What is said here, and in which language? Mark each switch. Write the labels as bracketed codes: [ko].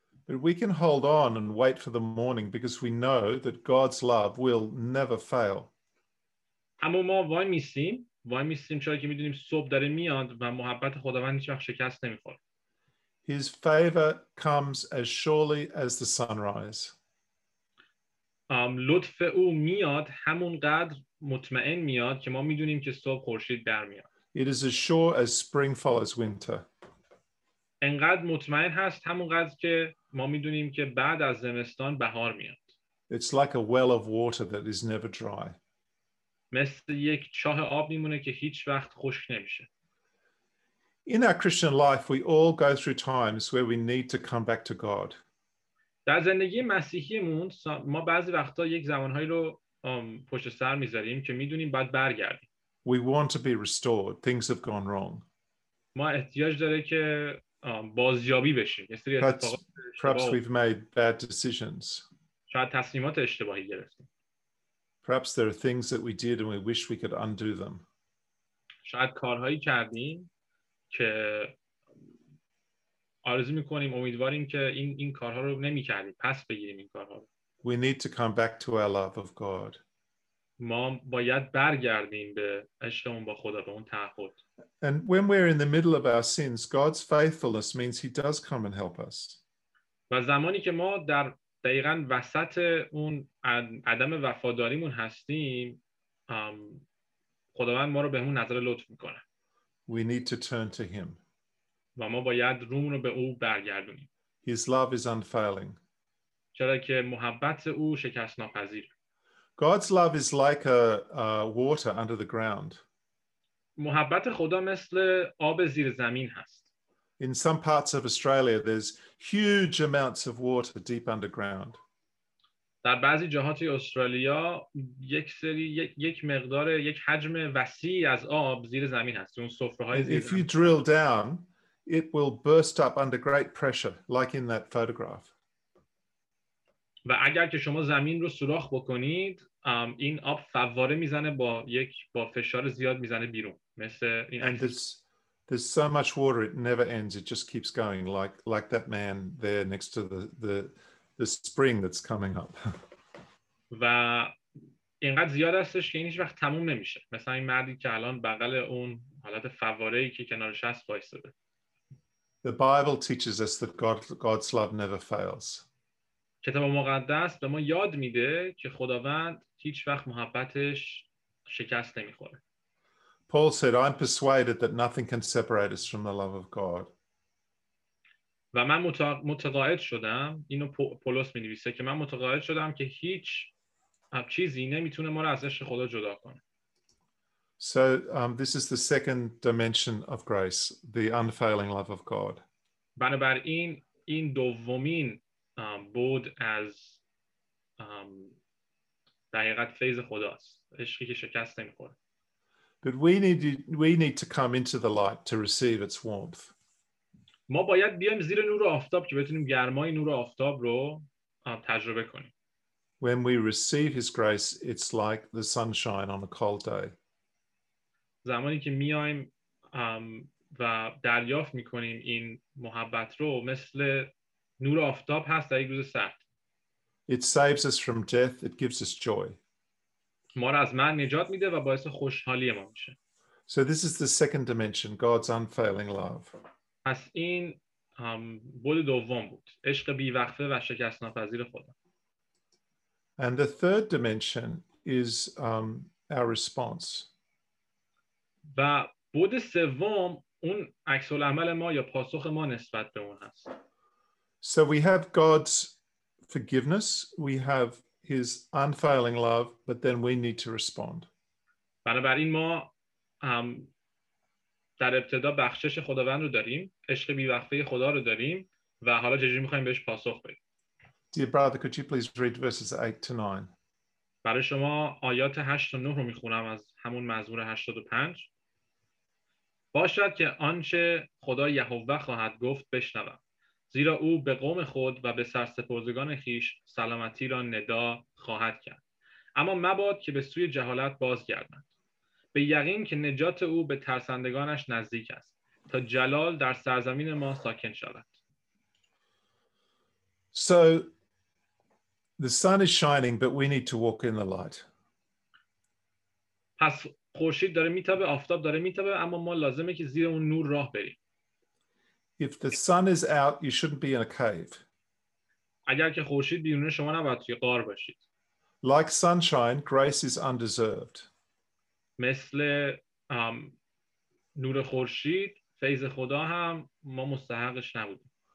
[en] But we can hold on and wait for the morning because we know that God's love will never fail. [fa] اما ما وای میسیم چرا که میدونیم صبح داره میاد و محبت خداوند هیچ وقت شکست نمیخوره. [en] His favor comes as surely as the sunrise. [fa] لطف او میاد همونقدر مطمئن میاد که ما میدونیم که صبح خورشید در میاد. [en] It is as sure as spring follows winter. [fa] انقدر مطمئن هست همونقدر که ما میدونیم که بعد از زمستان بهار میاد. [en] It's like a well of water that is never dry. [fa] مثل یک چاه آب میمونه که هیچ وقت خشک نمیشه. [en] In our Christian life we all go through times where we need to come back to God. [fa] در زندگی مسیحیمون ما بعضی وقتا یک زمانهایی رو پشت سر میذاریم که میدونیم بعد برگردیم. [en] We want to be restored. Things have gone wrong. [fa] ما احتیاج داره که بازیابی بشه. [en] Perhaps we've made bad decisions. [fa] شاید تصمیمات اشتباهی گرفتیم. [en] Perhaps there are things that we did and we wish we could undo them. [fa] شاید کارهایی کردیم که آرزو می‌کنیم امیدواریم که این کارها رو نمی‌کردیم. پس بگیریم این کارها رو. [en] We need to come back to our love of God. [fa] ما باید برگردیم به عشقمون با خدا، به اون تعهد. [en] And when we're in the middle of our sins, God's faithfulness means he does come and help us. [fa] و زمانی که ما در دقیقاً وسط اون عدم وفاداریمون هستیم، خداوند ما رو بهمون نظر لطف میکنه. [en] We need to turn to him. [fa] و ما باید رومون رو به او برگردونیم. [en] His love is unfailing. [fa] چرا که محبت او شکست ناپذیر. [en] God's love is like a water under the ground. [fa] محبت خدا مثل آب زیر زمین هست. [en] In some parts of Australia there's huge amounts of water deep underground. [fa] در بعضی جاهات استرالیا یک حجم وسیع از آب زیر زمین هست. اون سفره‌های زیر زمین. [en] If you drill down, it will burst up under great pressure like in that photograph. [fa] و اگر که شما زمین رو سوراخ بکنید، این آب فواره میزنه با فشار زیاد میزنه بیرون، مثل این. [en] And there's so much water it never ends, it just keeps going like that man there next to the spring that's coming up. [fa] و اینقدر زیاد هستش که این هیچ وقت تموم نمیشه، مثل این مردی که الان بغل اون حالت فواره ای که کنارش هست وایساده. [en] The Bible teaches us that God's love never fails. [fa] کتاب مقدس به ما یاد میده که خداوند هیچ وقت محبتش شکست نمیخوره. [en] Paul said, I'm persuaded that nothing can separate us from the love of God. [fa] و من متقاعد شدم، اینو پولس می‌نویسه که من متقاعد شدم که هیچ چیزی نمیتونه ما رو از عشق خدا جدا کنه. [en] So this is the second dimension of grace, the unfailing love of God. [fa] بنابراین این دومین بود از دقیقت فیض خداست، عشقی که شکست نمی‌خوره. [en] But we need to come into the light to receive its warmth. [fa] ما باید بیایم زیر نور آفتاب که بتونیم گرمای نور آفتاب رو تجربه کنیم. [en] When we receive his grace, it's like the sunshine on a cold day. [fa] زمانی که میایم و دریافت می‌کنیم این محبت رو، مثل نور آفتاب هست در یک روز سرد. [en] It saves us from death. It gives us joy. [fa] ما را از مرگ نجات میده و باعث خوشحالی ما میشه. [en] So this is the second dimension, God's unfailing love. [fa] پس این بُعد دوم بود. عشق بی‌وقفه و شکست ناپذیر خدا. [en] And the third dimension is our response. [fa] و بُعد سوم اون عکس العمل ما یا پاسخ ما نسبت به اون هست. [en] So we have God's forgiveness, we have his unfailing love, but then we need to respond. [fa] بنابراین ما در ابتدا بخشش خداوند رو داریم، عشق بی‌وقفه خدا رو داریم و حالا چجوری می‌خوایم بهش پاسخ بدیم. [en] Dear brother, could you please read verses 8 to 9? [fa] برای شما آیات 8 تا 9 رو می‌خونم از همون مزمور 85. باشد که آنچه خدا یهوه خواهد گفت بشنوم، زیرا او به قوم خود و به سرسپرزگان خیش سلامتی را ندا خواهد کرد. اما مباد که به سوی جهالت بازگردند. به یقین که نجات او به ترسندگانش نزدیک است، تا جلال در سرزمین ما ساکن شود. [en] So the sun is shining, but we need to walk in the light. [fa] پس خورشید داره میتابه، آفتاب داره میتابه، اما ما لازمه که زیر اون نور راه بریم. [en] If the sun is out, you shouldn't be in a cave. [fa] اگر که خورشید بیرون، شما نباید توی غار باشید. [en] Like sunshine, grace is undeserved. [fa] مثل نور خورشید، فیض خدا هم ما مستحقش نبودیم.